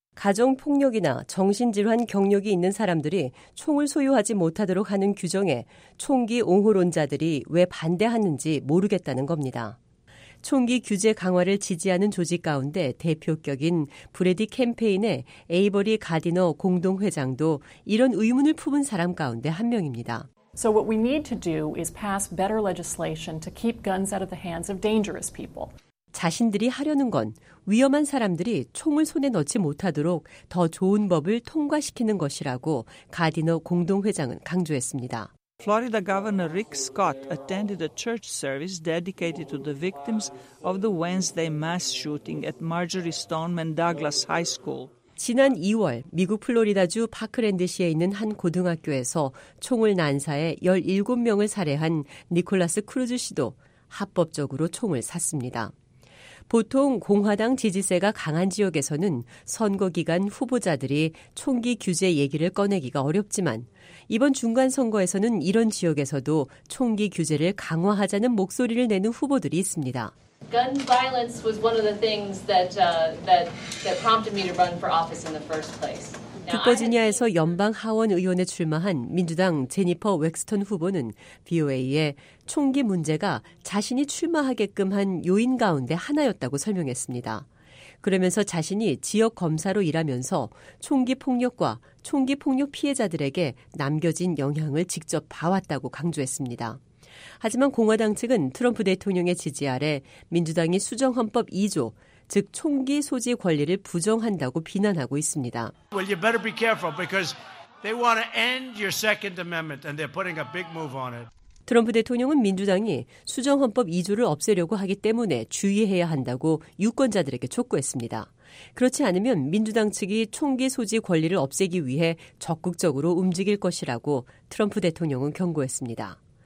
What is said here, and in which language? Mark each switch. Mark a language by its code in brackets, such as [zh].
[ko] 가정폭력이나 정신질환 경력이 있는 사람들이 총을 소유하지 못하도록 하는 규정에 총기 옹호론자들이 왜 반대하는지 모르겠다는 겁니다. 총기 규제 강화를 지지하는 조직 가운데 대표격인 브래디 캠페인의 에이버리 가디너 공동회장도 이런 의문을 품은 사람 가운데 한 명입니다. [en] So what we need to do is pass better legislation to keep guns out of the hands of dangerous people. [ko] 자신들이 하려는 건 위험한 사람들이 총을 손에 넣지 못하도록 더 좋은 법을 통과시키는 것이라고 가디너 공동회장은 강조했습니다. [en] Florida Governor Rick Scott attended a church service dedicated to the victims of the Wednesday mass shooting at Marjorie Stoneman Douglas High School. [ko] 지난 2월 미국 플로리다주 파크랜드시에 있는 한 고등학교에서 총을 난사해 17명을 살해한 니콜라스 크루즈 씨도 합법적으로 총을 샀습니다. 보통 공화당 지지세가 강한 지역에서는 선거 기간 후보자들이 총기 규제 얘기를 꺼내기가 어렵지만 이번 중간선거에서는 이런 지역에서도 총기 규제를 강화하자는 목소리를 내는 후보들이 있습니다. [en] Gun violence was one of the things that prompted me to run for office in the first place. [ko] 북버지니아에서 연방 하원 의원에 출마한 민주당 제니퍼 웨스턴 후보는 VOA에 총기 문제가 자신이 출마하게끔 한 요인 가운데 하나였다고 설명했습니다. 그러면서 자신이 지역 검사로 일하면서 총기 폭력과 총기 폭력 피해자들에게 남겨진 영향을 직접 봐왔다고 강조했습니다. 하지만 공화당 측은 트럼프 대통령의 지지 아래 민주당이 수정헌법 2조, 즉 총기 소지 권리를 부정한다고 비난하고 있습니다. [en] Well, you better be careful because they want to end your Second Amendment and they're putting a big move on it. [ko] 트럼프 대통령은 민주당이 수정헌법 2조를 없애려고 하기 때문에 주의해야 한다고 유권자들에게 촉구했습니다. 그렇지 않으면 민주당 측이 총기 소지 권리를 없애기 위해 적극적으로 움직일 것이라고 트럼프 대통령은 경고했습니다.